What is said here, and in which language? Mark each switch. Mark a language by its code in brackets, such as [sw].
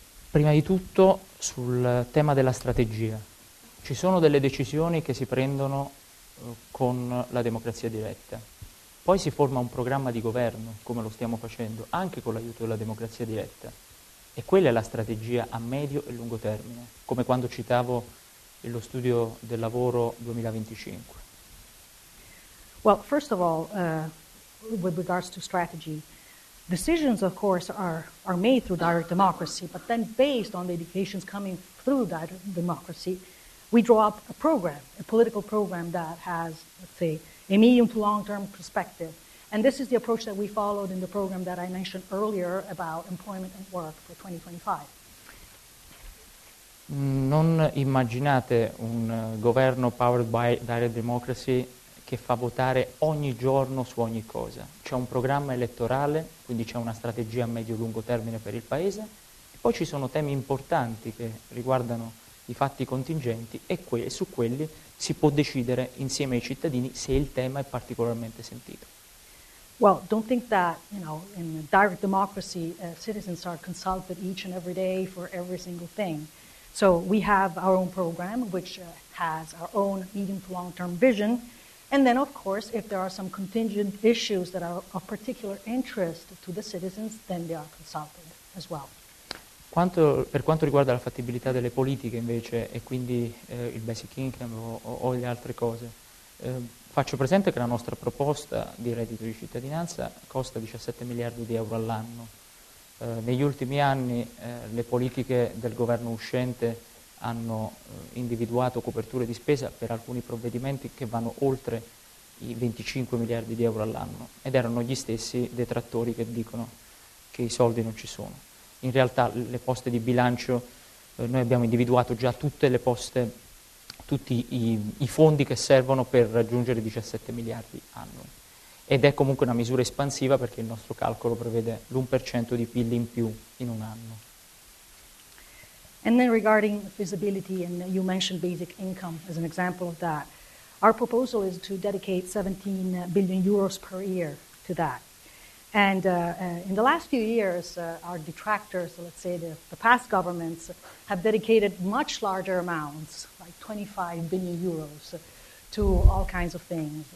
[it] Prima di tutto, sul tema della strategia, ci sono delle decisioni che si prendono con la democrazia diretta. Poi si forma un programma di governo, come lo stiamo facendo, anche con l'aiuto della democrazia diretta. E quella è la strategia a medio e lungo termine, come quando citavo lo studio del lavoro 2025. [en] Well, first of all, with regards to strategy, decisions, of course, are made through direct democracy, but then based on the indications coming through direct democracy, we draw up a program, a political program that has, let's say, a medium to long-term perspective. And this is the approach that we followed in the program that I mentioned earlier about employment and work for 2025. [it] Non immaginate un governo [en] powered by direct democracy [it] che fa votare ogni giorno su ogni cosa. C'è un programma elettorale, quindi c'è una strategia a medio-lungo termine per il paese, e poi ci sono temi importanti che riguardano i fatti contingenti e su quelli si può decidere insieme ai cittadini se il tema è particolarmente sentito. [en] Well, don't think that, you know, in direct democracy, citizens are consulted each and every day for every single thing. So we have our own program, which has our own medium to long-term vision. And then, of course, if there are some contingent issues that are of particular interest to the citizens, then they are consulted as well. [it] Per quanto riguarda la fattibilità delle politiche, invece, e quindi il basic income o le altre cose, faccio presente che la nostra proposta di reddito di cittadinanza costa 17 miliardi di euro all'anno. Negli ultimi anni le politiche del governo uscente hanno individuato coperture di spesa per alcuni provvedimenti che vanno oltre i 25 miliardi di euro all'anno ed erano gli stessi detrattori che dicono che i soldi non ci sono. In realtà le poste di bilancio, noi abbiamo individuato già tutte le poste, tutti i fondi che servono per raggiungere 17 miliardi annui. Ed è comunque una misura espansiva perché il nostro calcolo prevede l'1% di PIL in più in un anno. [en] And then regarding feasibility, and you mentioned basic income as an example of that, our proposal is to dedicate 17 billion euros per year to that. And in the last few years, our detractors, let's say the past governments, have dedicated much larger amounts, like 25 billion euros, to all kinds of things.